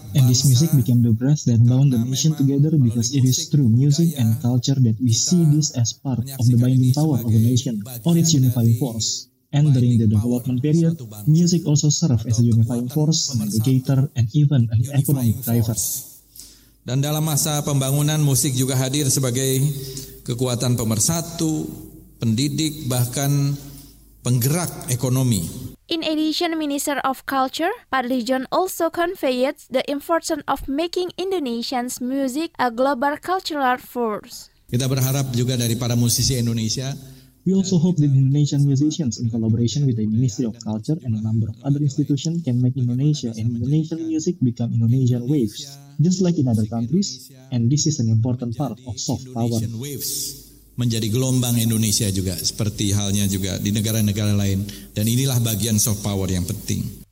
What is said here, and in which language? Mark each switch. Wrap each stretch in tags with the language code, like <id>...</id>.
<en>And this music became the breath that bound the nation together because it is through music and culture that we see this as part of the binding power of the nation or its unifying force. And during the development period, music also served as a unifying force, an educator, and even an economic driver.</en> <id>Dan dalam masa pembangunan musik juga hadir sebagai kekuatan pemersatu, pendidik, bahkan penggerak ekonomi.</id> <en>In addition, Minister of Culture, Fadli Zon also conveyed the importance of making Indonesian's music a global cultural force.</en> <id>Kita berharap juga dari para musisi Indonesia.</id> <en>We also hope that Indonesian musicians in collaboration with the Ministry of Culture and a number of other institutions can make Indonesia and Indonesian music become Indonesian waves, just like in other countries, and this is an important part of soft power.</en> <id>Menjadi gelombang Indonesia juga, seperti halnya juga di negara-negara lain, dan inilah bagian soft power yang penting.</id>